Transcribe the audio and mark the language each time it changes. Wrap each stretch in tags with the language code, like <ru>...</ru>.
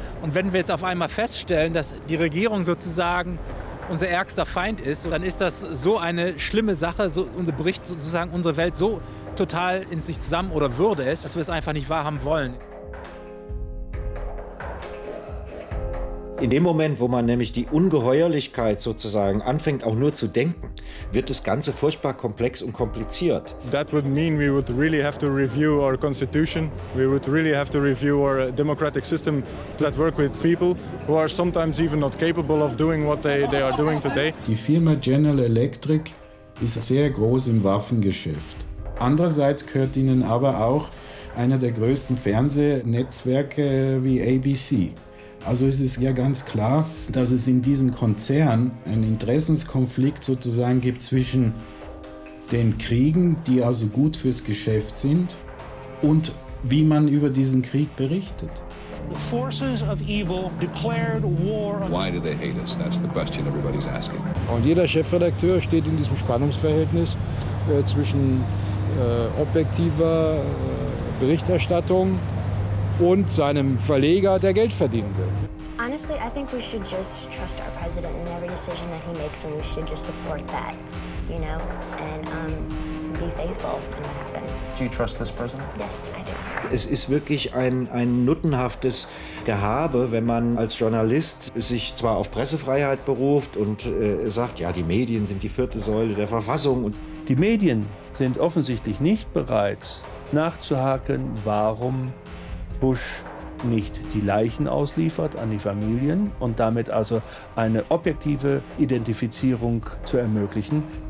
<de>Und wenn wir jetzt auf einmal feststellen, dass die Regierung sozusagen unser ärgster Feind ist, dann ist das so eine schlimme Sache, so bricht sozusagen unsere Welt so total in sich zusammen oder würde es, dass wir es einfach nicht wahrhaben wollen. In dem Moment, wo man nämlich die Ungeheuerlichkeit sozusagen anfängt, auch nur zu denken, wird das Ganze furchtbar komplex und kompliziert.</de> <en>That would mean we would really have to review our constitution. We would really have to review our democratic system that work with people who are sometimes even not capable of doing what they are doing today.</en> <de>Die Firma General Electric ist sehr groß im Waffengeschäft. Andererseits gehört ihnen aber auch einer der größten Fernsehnetzwerke wie ABC. Also es ist ja ganz klar, dass es in diesem Konzern einen Interessenskonflikt sozusagen gibt zwischen den Kriegen, die also gut fürs Geschäft sind, und wie man über diesen Krieg berichtet.</de> <en>Forces of evil declared war. Why do they hate us? That's the question everybody's asking.</en> <de>Und jeder Chefredakteur steht in diesem Spannungsverhältnis zwischen objektiver Berichterstattung und seinem Verleger, der Geld verdienen will.</de> <en>Honestly, I think we should just trust our president in every decision that he makes, and we should just support that, you know, and be faithful when that happens. Do you trust this president? Yes, I do.</en> <de>Es ist wirklich ein nuttenhaftes Gehabe, wenn man als Journalist sich zwar auf Pressefreiheit beruft und sagt, ja, die Medien sind die vierte Säule der Verfassung. Und die Medien sind offensichtlich nicht bereit, nachzuhaken, warum Bush nicht die Leichen ausliefert an die Familien und damit also eine objektive Identifizierung zu ermöglichen.</de>